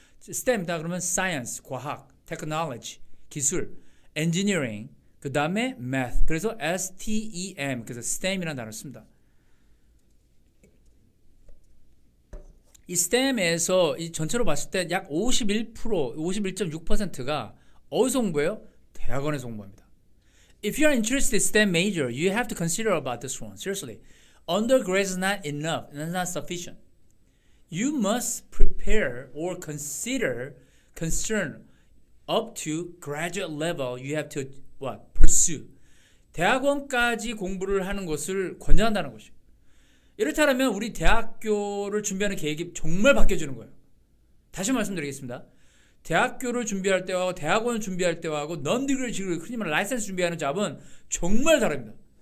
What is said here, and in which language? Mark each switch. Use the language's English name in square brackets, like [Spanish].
[Korean] STEM 다 그러면 Science, 과학, Technology, 기술, Engineering, 그 다음에 Math. 그래서 STEM, 그래서 STEM이라는 단어를 씁니다. 이 STEM에서 이 전체로 �ast을 때 약 51.6%가 어디서 공부해요? 대학원에서 공부합니다. [English] If you are interested in STEM major, you have to consider about this one. Seriously. Undergrad is not enough. It's not sufficient. You must prepare or consider concern up to graduate level. You have to what? Pursue. [Korean] 대학원까지 공부를 하는 것을 권장한다는 것이죠. 이렇다면 우리 대학교를 준비하는 계획이 정말 바뀌어지는 거예요. 다시 말씀드리겠습니다. 대학교를 준비할 때와 대학원을 준비할 때와 하고 non-degree 지금 흔히 말하는 라이센스 준비하는 잡은 정말 다릅니다.